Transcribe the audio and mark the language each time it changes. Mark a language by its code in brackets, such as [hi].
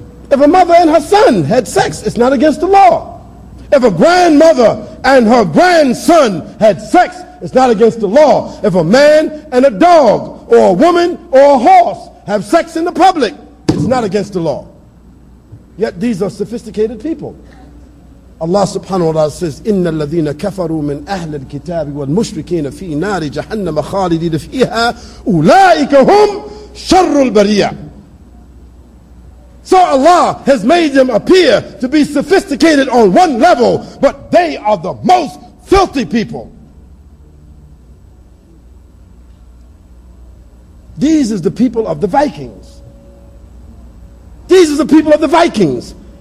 [en] If a mother and her son had sex, it's not against the law. If a grandmother and her grandson had sex, it's not against the law. If a man and a dog, or a woman, or a horse have sex in the public, it's not against the law. Yet these are sophisticated people. [ar] Allah subhanahu wa ta'ala says, إِنَّ الَّذِينَ كَفَرُوا مِنْ أَهْلِ الْكِتَابِ وَالْمُشْرِكِينَ فِي نَارِ جَهَنَّمَ خَالِدِينَ فِيهَا أُولَٰئِكَ هُمْ شَرُّ الْبَرِيَةِ. [en] So Allah has made them appear to be sophisticated on one level, but they are the most filthy people. These is the people of the Vikings. These is the people of the Vikings.